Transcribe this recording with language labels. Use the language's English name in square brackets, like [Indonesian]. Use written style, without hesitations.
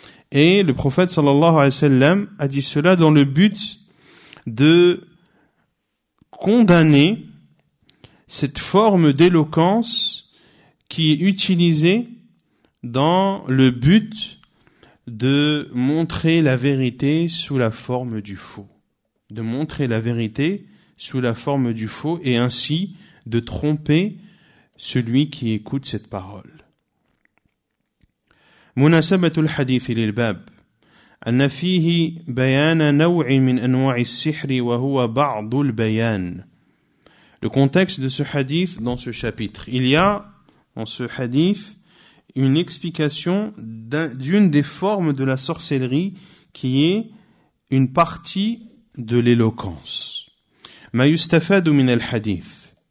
[French] Et le prophète sallallahu alayhi wa sallam a dit cela dans le but de condamner cette forme d'éloquence qui est utilisée dans le but de montrer la vérité sous la forme du faux. De montrer la vérité sous la forme du faux et ainsi de tromper celui qui écoute cette parole. [Arabic] مناسبة الحديث للباب أن فيه بيان نوع من أنواع السحر وهو بعض البيان. [French] Le contexte de ce hadith dans ce chapitre. Il y a dans ce hadith une explication d'une des formes de la sorcellerie qui est une partie de l'éloquence. [Arabic] ما يستفاد من الحديث.